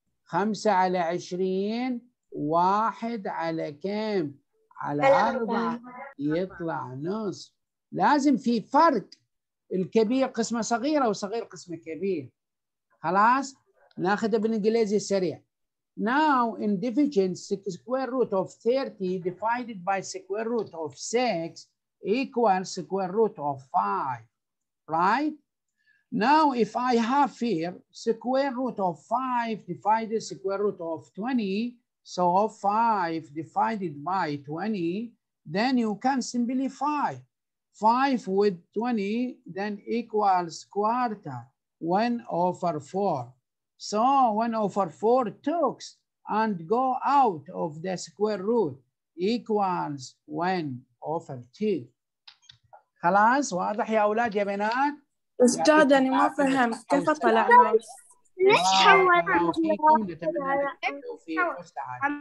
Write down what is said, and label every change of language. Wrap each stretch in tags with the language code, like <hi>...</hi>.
<ar>5 على 20 1 على كم؟ على 4 يطلع نصف. لازم في فرق، الكبير قسمة صغيرة وصغير قسمة كبير. خلاص ناخذها بالإنجليزي سريع.</ar> <en>Now in division square root of 30 divided by square root of 6 equals square root of 5, right? Now if I have here square root of 5 divided square root of 20, so 5 divided by 20, then you can simplify. 5 with 20 then equals quarter, 1 over 4. So 1 over 4 takes and go out of the square root equals 1 over 2.</en> <ar>خلاص واضح يا اولاد يا بنات؟ استاذ انا ما فهمت كيف طلع ليش حولت؟ فيكم نتمنى لكم وفيكم سعادة.</ar>